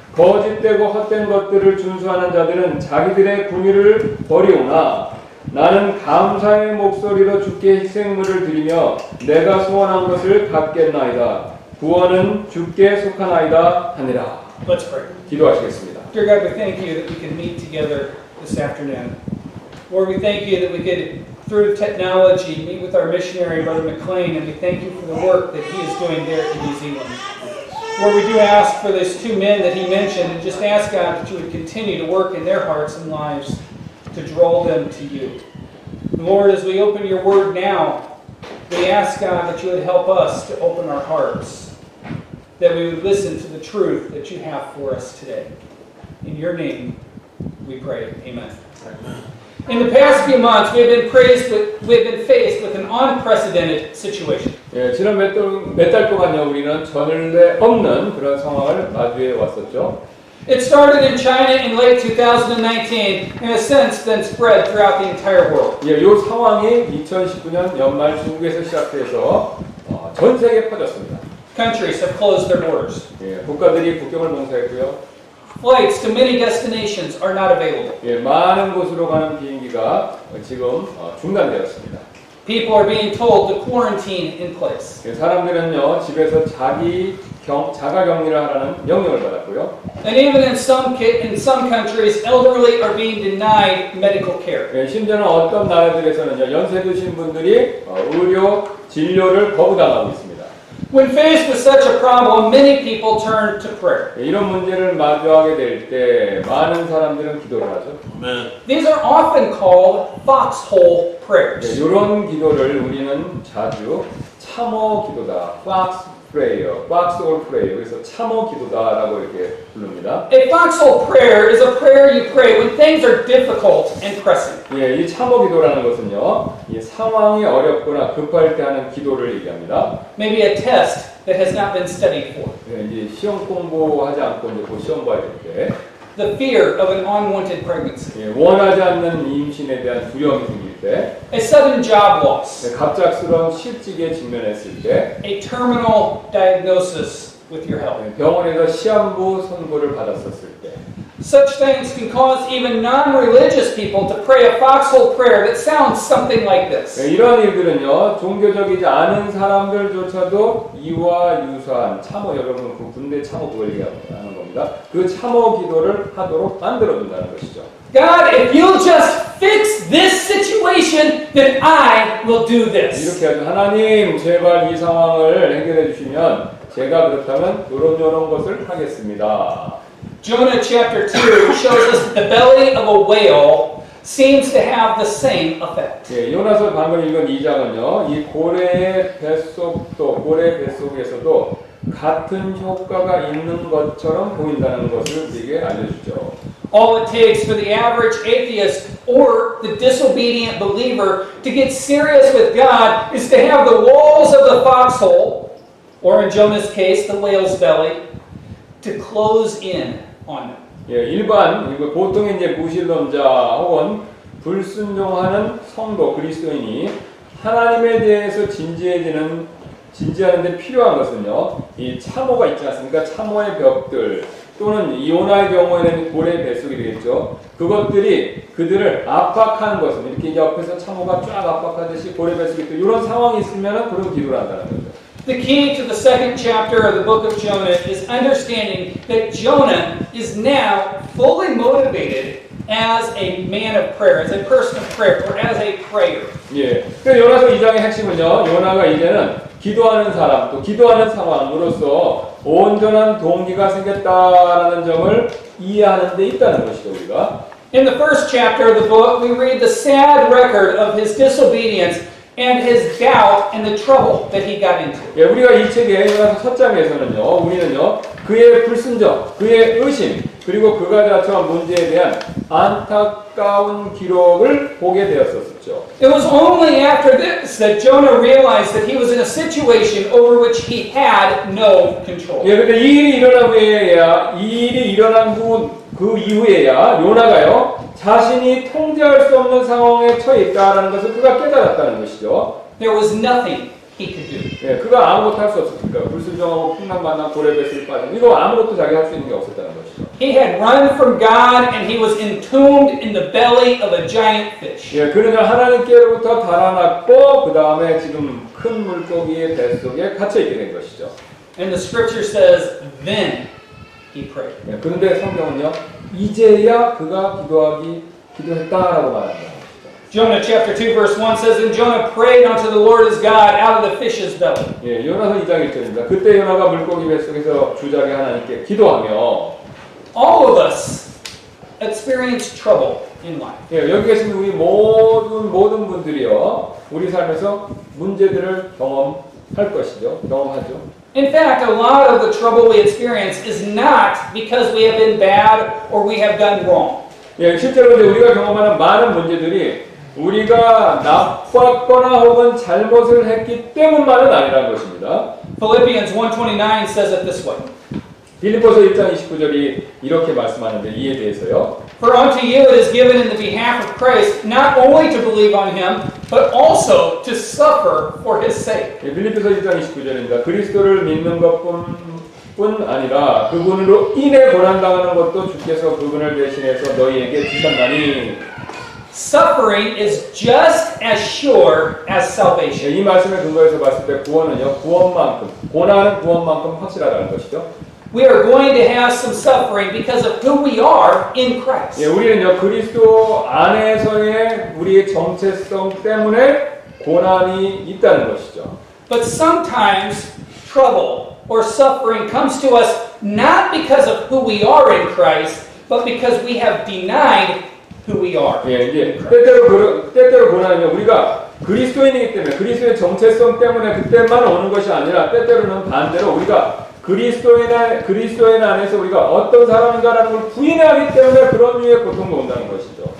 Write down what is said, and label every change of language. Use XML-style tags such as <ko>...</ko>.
<ko>거짓되고 헛된 것들을 준수하는 자들은 자기들의 궁유를 버리오나 나는 감사의 목소리로 주께 희생물을 드리며 내가 소원한 것을 받겠나이다. 구원은 주께 속하나이다 하니라.</ko> <en>Let's pray.</en> <ko>기도하시겠습니다.</ko> <en>Dear God, we thank you that we can meet together this afternoon. Lord, we thank you that we could, through technology, meet with our missionary, Brother McLean, and we thank you for the work that he is doing there in New Zealand. Lord, we do ask for those two men that he mentioned, and just ask God that you would continue to work in their hearts and lives to draw them to you. Lord, as we open your word now, we ask God that you would help us to open our hearts, that we would listen to the truth that you have for us today. In your name, we pray. Amen. In the past few months, we have been faced with an unprecedented situation.</en> <ko>예, 지난 몇 달 동안요, 우리는 전례 없는 그런 상황을 마주해 왔었죠.</ko> <en>It started in China in late 2019, and has since then spread throughout the entire world.</en> <ko>예, 요 상황이 2019년 연말 중국에서 시작돼서 전 세계에 퍼졌습니다.</ko> <en>Countries have closed their borders.</en> <ko>예, 국가들이 국경을 봉쇄했고요.</ko> <en>Flights to many destinations are not available.</en> <ko>예, 많은 곳으로 가는 비행기가 지금 중단되었습니다.</ko> <en>People are being told to quarantine in place.</en> <ko>예, 사람들은요 집에서 자가격리를 하라는 명령을 받았고요.</ko> <en>And even in some countries, elderly are being denied medical care.</en> <ko>예, 심지어는 어떤 나라들에서는요 연세 드신 분들이 의료 진료를 거부당하고 있습니다.</ko> <en>When faced with such a problem, many people turn to prayer.</en> <ko>이런 문제를 마주하게 될 때 많은 사람들은 기도를 하죠.</ko> <en>Amen. These are often called foxhole prayers.</en> <ko>네, 이런 기도를 우리는 자주 참호 기도다, foxhole prayer. 그래서 참호 기도다라고 이렇게 부릅니다.</ko> <en>A foxhole prayer is a prayer you pray when things are difficult and pressing.</en> <ko>예, 이 참호 기도라는 것은요, 이 상황이 어렵거나 급할 때 하는 기도를 얘기합니다.</ko> <en>Maybe a test that has not been studied for.</en> <ko>예, 이제 시험 공부하지 않고 이제 곧 시험 봐야 될 때.</ko> <en>The fear of an unwanted pregnancy.</en> <ko>예, 원하지 않는 임신에 대한 두려움이 생길 때.</ko> <en>A sudden job loss.</en> <ko>예, 갑작스러운 실직에 직면했을 때.</ko> <en>A terminal diagnosis with your health. 예,</en> <ko>병원에서 시한부 선고를 받았었을 때.</ko> <en>Such things can cause even non-religious people to pray a foxhole prayer that sounds something like this.</en> <ko>예, 이런 일들은요, 종교적이지 않은 사람들조차도 이와 유사한 참호, 여러분 그 군대 참호 그걸 얘기하는 겁니다. 그 참호 기도를 하도록 만들어준다는 것이죠.</ko> <en>God, if you'll just fix this situation, then I will do this.</en> <ko>이렇게 하죠. 하나님, 제발 이 상황을 해결해 주시면 제가 그렇다면 요런 것을 하겠습니다.</ko> <en>Jonah chapter 2 shows us that the belly of a whale seems to have the same effect.</en> <ko>예, 요나서 방금 읽은 2장은요, 이 고래의 뱃속도, 고래 뱃속에서도 같은 효과가 있는 것처럼 보인다는 것을 우리에게 알려주죠.</ko> <en>All it takes for the average atheist or the disobedient believer to get serious with God is to have the walls of the foxhole, or in Jonah's case, the whale's belly, to close in.</en> <ko>예, 일반 이거 보통 이제 무신론자 혹은 불순종하는 성도 그리스도인이 하나님에 대해서 진지하는데 필요한 것은요 이 참호가 있지 않습니까? 참호의 벽들 또는 요나의 경우에는 고래 뱃속이 되겠죠. 그것들이 그들을 압박하는 것은 이렇게 옆에서 참호가 쫙 압박하듯이 고래 뱃속이 또 이런 상황이 있으면 그런 기도를 한다는 거죠.</ko> <en>The key to the second chapter of the book of Jonah is understanding that Jonah is now fully motivated as a man of prayer, as a person of prayer, or as a prayer.</en> <ko>예. 그 요나서 2장의 핵심은요. 요나가 이제는 기도하는 사람 또 기도하는 상황으로서 온전한 동기가 생겼다라는 점을 이해하는 데 있다는 것이죠 우리가.</ko> <en>In the first chapter of the book, we read the sad record of his disobedience and his doubt and the trouble that he got into.</en> <ko>예, 우리가 이 책의 첫 장에서는요, 우리는요 그의 불순종, 그의 의심, 그리고 그가 가져온 문제에 대한 안타까운 기록을 보게 되었었죠.</ko> <en>It was only after this that Jonah realized that he was in a situation over which he had no control.</en> <ko>예, 근데 이 일이 일어난 후에야, 이 일이 일어난 후 그 이후에야 요나가요 자신이 통제할 수 없는 상황에 처해 있다라는 것을 그가 깨달았다는 것이죠.</ko> <en>There was nothing he could do.</en> <ko>예, 그가 아무것도 할 수 없었으니까 불순종하고 풍랑 만난 고렙에서 빠진 이거 아무것도 자기가 할 수 있는 게 없었다는 것이죠.</ko> <en>He had run from God and he was entombed in the belly of a giant fish.</en> <ko>예, 그러나 하나님께로부터 달아났고 그 다음에 지금 큰 물고기의 배 속에 갇혀 있게 된 것이죠.</ko> <en>And the scripture says then. He prayed.</en> <ko>예, 그런데 성경은요 이제야 그가 기도하기 기도했다라고 말합니다.</ko> <en>Jonah chapter 2 verse 1 says, and Jonah prayed unto the Lord his God out of the fish's belly.</en> <ko>예, 요나서 2장 1절입니다. 그때 요나가 물고기 배 속에서 주자기 하나님께 기도하며.</ko> <en>All of us experience trouble in life.</en> <ko>예, 여기 계신 우리 모든 분들이요 우리 삶에서 문제들을 경험할 것이죠. 경험하죠.</ko> <en>In fact, a lot of the trouble we experience is not because we have been bad or we have done wrong.</en> <ko>예, 실제로 우리가 경험하는 많은 문제들이 우리가 나빴거나 혹은 잘못을 했기 때문만은 아니라는 것입니다.</ko> <en>Philippians 1:29 says it this way.</en> <ko>빌립보서 1장 29절이 이렇게 말씀하는데 이에 대해서요.</ko> <en>For unto you it is given in the behalf of Christ not only to believe on him but also to suffer for his sake.</en> <ko>예, 빌립보서 1장 29절입니다. 그리스도를 믿는 것뿐 아니라 그분으로 인해 고난 당하는 것도 주께서 그분을 대신해서 너희에게 주셨나니</ko> <en>Suffering is just as sure as salvation.</en> <ko>예, 이 말씀을 근거해서 봤을 때 구원은요. 구원만큼 고난은 구원만큼 확실하다는 것이죠.</ko> <en>We are going to have some suffering because of who we are in Christ.</en> <ko>예, 우리는요 그리스도 안에서의 우리의 정체성 때문에 고난이 있다는 것이죠.</ko> <en>But sometimes trouble or suffering comes to us not because of who we are in Christ, but because we have denied who we are.</en> <ko>예, 이제 때때로 고난이요 우리가 그리스도인이기 때문에 그리스도의 정체성 때문에 그때만 오는 것이 아니라 때때로는 반대로 우리가 그리스도인 안에서 우리가 어떤 사람인가라는 걸 부인하기 때문에 그런 류의 고통도 온다는 것이죠.</ko>